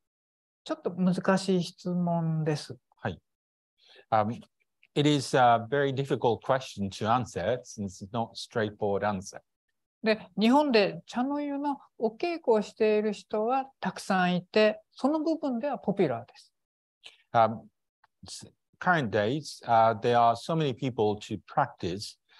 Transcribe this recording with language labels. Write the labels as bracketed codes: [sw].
[ja] 難しい質問なんで人気があるかってことですよね。ちょっと難しい質問です。 [en] It is a very difficult question to answer since it's not straightforward answer. [ja] で、日本で茶の湯のお稽古をしている人はたくさんいて、その部分ではポピュラーです。 [en] Current days, there are so many people to practice.